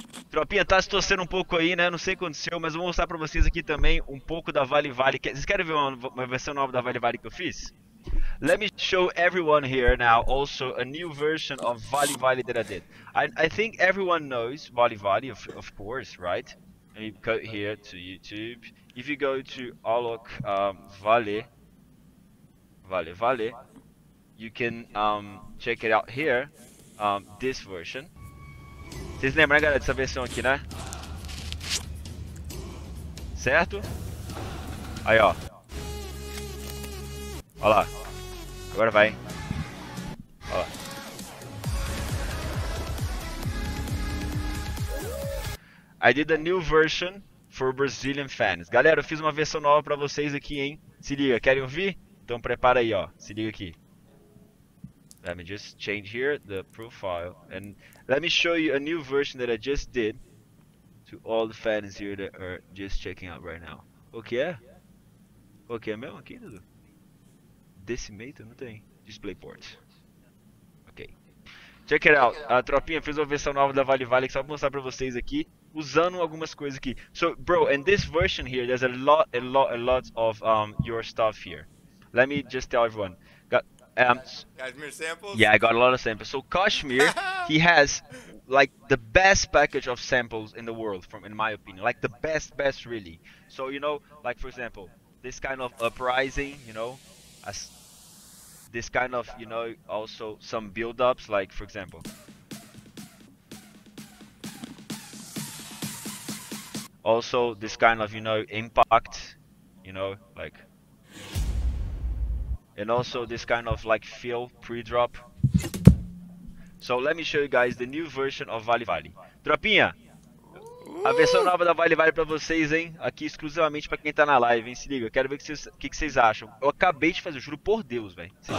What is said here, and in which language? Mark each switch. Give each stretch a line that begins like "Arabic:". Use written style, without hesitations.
Portuguese: Tropinha, tá se torcendo um pouco aí, né? Não sei o que aconteceu, mas vou mostrar pra vocês aqui também um pouco da Vale Vale. Vocês querem ver uma versão nova da Vale Vale que eu fiz?
English: Let me show everyone here now also a new version of Vale Vale that I did. I think everyone knows Vale Vale, of course, right? Let me go here to YouTube. If you go to Alok Vale, you can check it out here, this version.
Portuguese: Vocês lembram, né, galera, dessa versão aqui, né? Certo? Aí, ó. Olha lá. Agora vai. Ó.
English: I did a new version for Brazilian fans.
Portuguese: Galera, eu fiz uma versão nova pra vocês aqui, hein? Se liga, querem ouvir? Então prepara aí, ó. Se liga aqui.
English: Let me just change here the profile and let me show you a new version that I just did to all the fans here that are just checking out right now.
Portuguese: O que é? O que é mesmo aqui, Dudu? Decimator? Não tem. DisplayPort. Ok.
English: Check it out.
Portuguese: A tropinha fez uma versão nova da Vale Vale que só vou mostrar pra vocês aqui. Usando algumas coisas aqui.
English: So, bro, in this version here, there's a lot of your stuff here. Let me just tell everyone. Kashmir samples? Yeah, I got a lot of samples. So Kashmir, he has like the best package of samples in the world, from in my opinion. Like the best really. So you know, like for example, this kind of uprising, you know, as this kind of, you know, also some build ups, like for example. Also this kind of, you know, impact, you know, like. And also this kind of like feel pre-drop. So let me show you guys the new version of Vale Vale.
Portuguese: Tropinha! A versão nova da Vale Vale pra vocês, hein? Aqui exclusivamente pra quem tá na live, hein? Se liga, eu quero ver que vocês acham. Eu acabei de fazer, eu juro por Deus, velho.